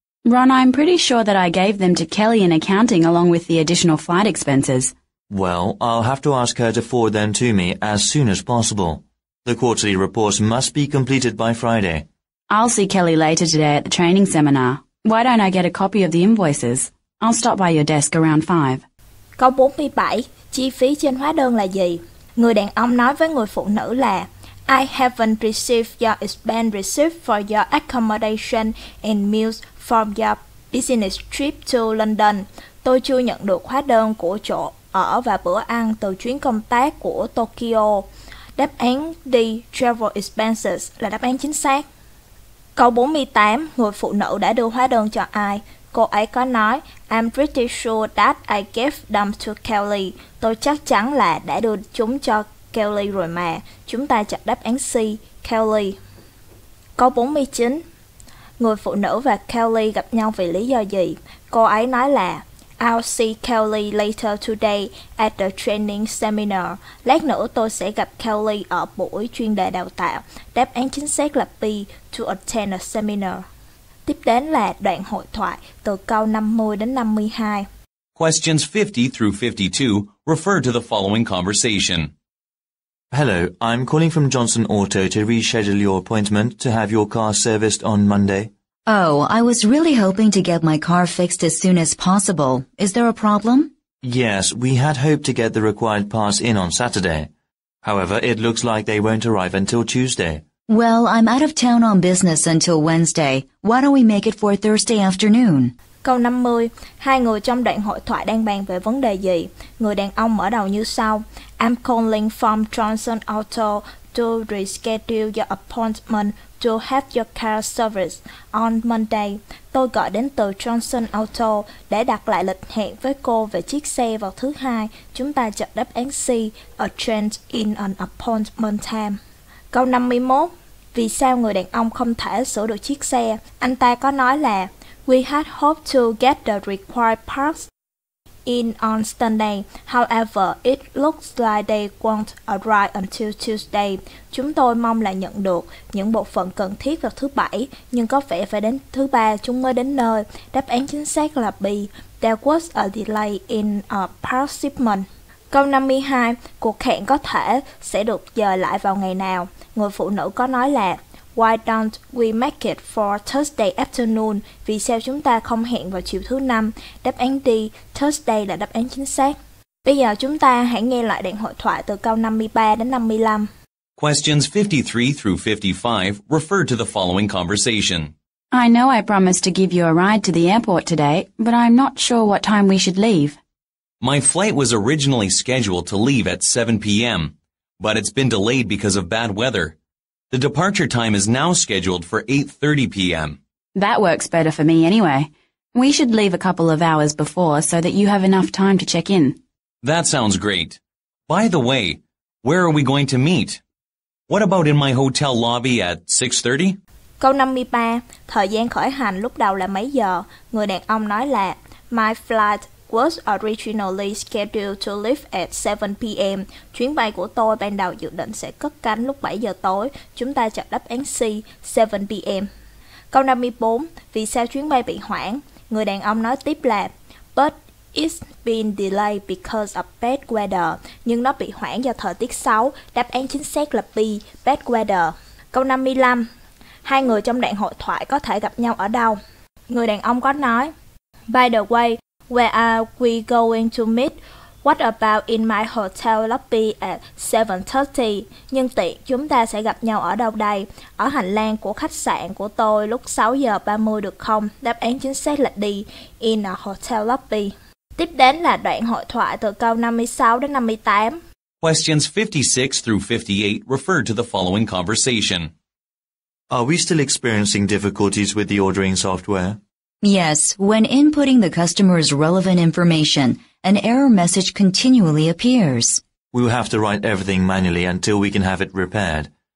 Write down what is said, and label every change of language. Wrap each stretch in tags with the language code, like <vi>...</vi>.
<en>Ron, I'm pretty sure that I gave them to Kelly in accounting along with the additional flight expenses. Well, I'll have to ask her to forward them to me as soon as possible. The quarterly reports must be completed by Friday. I'll see Kelly later today at the training seminar. Why don't I get a copy of the invoices? I'll stop by your desk around 5.</en> <vi>Câu 47. Chi phí trên hóa đơn là gì? Người đàn ông nói với người phụ nữ là</vi> <en>I haven't received your expense receipt for your accommodation and meals from your business trip to London.</en> <vi>Tôi chưa nhận được hóa đơn của chỗ ở và bữa ăn từ chuyến công tác của Tokyo. Đáp án D,</vi> <en>travel expenses,</en> <vi>là đáp án chính xác. Câu 48. Người phụ nữ đã đưa hóa đơn cho ai? Cô ấy có nói,</vi> <en>I'm pretty sure that I gave them to Kelly.</en> <vi>Tôi chắc chắn là đã đưa chúng cho Kelly rồi mà. Chúng ta chọn đáp án C, Kelly. Câu 49. Người phụ nữ và Kelly gặp nhau vì lý do gì? Cô ấy nói là</vi> <en>I'll see Kelly later today at the training seminar.</en> <vi>Lát nữa tôi sẽ gặp Kelly ở buổi chuyên đề đào tạo. Đáp án chính xác là B,</vi> <en>to attend a seminar.</en> <vi>Tiếp đến là đoạn hội thoại từ câu 50 đến 52.</vi> <en>Questions 50 through 52 refer to the following conversation. Hello, I'm calling from Johnson Auto to reschedule your appointment to have your car serviced on Monday. Oh, I was really hoping to get my car fixed as soon as possible. Is there a problem? Yes, we had hoped to get the required parts in on Saturday. However, it looks like they won't arrive until Tuesday. Well, I'm out of town on business until Wednesday. Why don't we make it for Thursday afternoon?</en> <vi>Câu 50. Hai người trong đoạn hội thoại đang bàn về vấn đề gì? Người đàn ông mở đầu như sau.</vi> <en>I'm calling from Johnson Auto to reschedule your appointment to have your car serviced on Monday.</en> <vi>Tôi gọi đến từ Johnson Auto để đặt lại lịch hẹn với cô về chiếc xe vào thứ hai. Chúng ta chọn đáp án C,</vi> <en>a change in an appointment time.</en> <vi>Câu 51. Vì sao người đàn ông không thể sửa được chiếc xe? Anh ta có nói là</vi> <en>We had hoped to get the required parts in on Sunday. However, it looks like they won't arrive until Tuesday.</en> <vi>Chúng tôi mong là nhận được những bộ phận cần thiết vào thứ bảy, nhưng có vẻ phải đến thứ ba chúng mới đến nơi. Đáp án chính xác là B.</vi> <en>There was a delay in a part shipment.</en> <vi>Câu 52. Cuộc hẹn có thể sẽ được dời lại vào ngày nào? Người phụ nữ có nói là</vi> <en>Why don't we make it for Thursday afternoon?</en> <vi>Vì sao chúng ta không hẹn vào chiều thứ năm? Đáp án D, Thursday là đáp án chính xác. Bây giờ chúng ta hãy nghe lại đoạn hội thoại từ câu 53 đến 55.</vi> <en>Questions 53 through 55 refer to the following conversation. I know I promised to give you a ride to the airport today, but I'm not sure what time we should leave. My flight was originally scheduled to leave at 7 p.m., but it's been delayed because of bad weather. The departure time is now scheduled for 8:30 p.m. That works better for me anyway. We should leave a couple of hours before so that you have enough time to check in. That sounds great. By the way, where are we going to meet? What about in my hotel lobby at 6:30?</en> <vi>Câu 53. Thời gian khởi hành lúc đầu là mấy giờ? Người đàn ông nói là</vi> <en>My flight was originally scheduled to leave at 7 p.m.</en> <vi>Chuyến bay của tôi ban đầu dự định sẽ cất cánh lúc 7 giờ tối. Chúng ta chọn đáp án C, 7 p.m. Câu 54. Vì sao chuyến bay bị hoãn? Người đàn ông nói tiếp là</vi> <en>But it's been delayed because of bad weather.</en> <vi>Nhưng nó bị hoãn do thời tiết xấu. Đáp án chính xác là B,</vi> <en>bad weather.</en> <vi>Câu 55. Hai người trong đoạn hội thoại có thể gặp nhau ở đâu? Người đàn ông có nói</vi> <en>By the way, where are we going to meet? What about in my hotel lobby at 7:30?</en> <vi>Nhân tiện, chúng ta sẽ gặp nhau ở đâu đây? Ở hành lang của khách sạn của tôi lúc 6:30 được không? Đáp án chính xác là D,</vi> <en>in a hotel lobby.</en> <vi>Tiếp đến là đoạn hội thoại từ câu 56 đến 58.</vi> <en>Questions 56 through 58 refer to the following conversation. Are we still experiencing difficulties with the ordering software? Yes, when inputting the customer's relevant information, an error message continually appears. We'll have to write everything manually until we can have it repaired.</en>